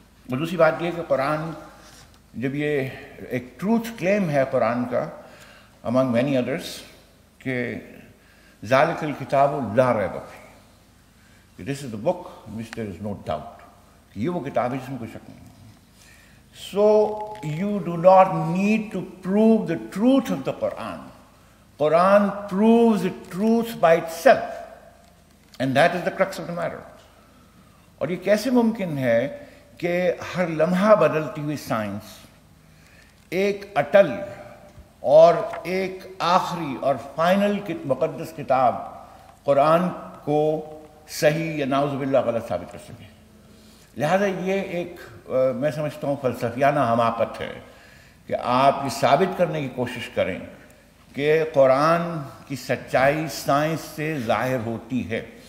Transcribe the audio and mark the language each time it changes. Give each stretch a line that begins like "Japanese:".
Urdu: اور دوسری بات یہ کہ قرآن جب یہ ایک ٹروتھ کلیم ہے قرآن کا
English: among many others
Urdu: کہ
Arabic: ذالک الکتاب لا ریب فیہ,
English: this is the book which there is no doubt,
Urdu: کہ یہ وہ کتاب ہے جس میں کوئی شک نہیں.
English: So you do not need to prove the truth of the Quran, Quran proves it truth by itself, and that is the crux of the matter.
Urdu: اور یہ کیسے ممکن ہے کہ ہر لمحہ بدلتی ہوئی سائنس ایک اٹل اور ایک آخری اور فائنل مقدس کتاب قرآن کو صحیح یا نعوذ باللہ غلط ثابت کر سکے؟ لہذا یہ ایک میں سمجھتا ہوں فلسفیانہ حماقت ہے کہ آپ یہ ثابت کرنے کی کوشش کریں کہ قرآن کی سچائی سائنس سے ظاہر ہوتی ہے.